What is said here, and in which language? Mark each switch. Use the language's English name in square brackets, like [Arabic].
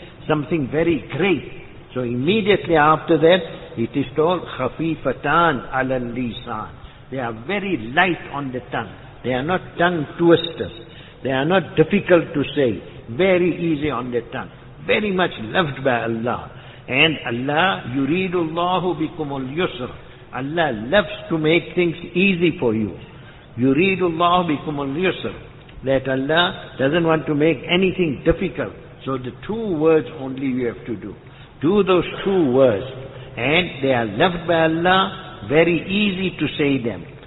[English] something very great. So immediately after that, it is told, [Arabic] خَفِيفَتَانْ عَلَى اللِّسَانِ. [English] They are very light on the tongue. They are not tongue twisters. They are not difficult to say. Very easy on the tongue. Very much loved by Allah. [Arabic] And Allah, يُرِيدُ اللَّهُ بِكُمُ الْيُسْرَ. [English] Allah loves to make things easy for you. [Arabic] يُرِيدُ اللَّهُ بِكُمُ الْيُسْرَ. [English] That Allah doesn't want to make anything difficult. So the two words only you have to do. Do those two words. And they are loved by Allah, very easy to say them.